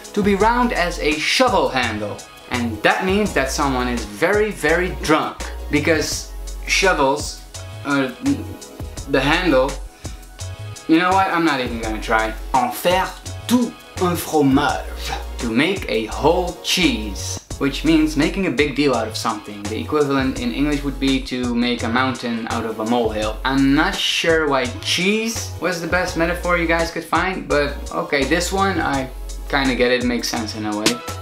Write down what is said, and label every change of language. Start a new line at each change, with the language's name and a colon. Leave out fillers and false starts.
English: To be round as a shovel handle. And that means that someone is very, very drunk, because shovels, the handle. You know what? I'm not even gonna try.
French: En faire tout un fromage.
English: To make a whole cheese. Which means making a big deal out of something. The equivalent in English would be to make a mountain out of a molehill. I'm not sure why cheese was the best metaphor you guys could find, but okay, this one, I kinda get it. It makes sense in a way.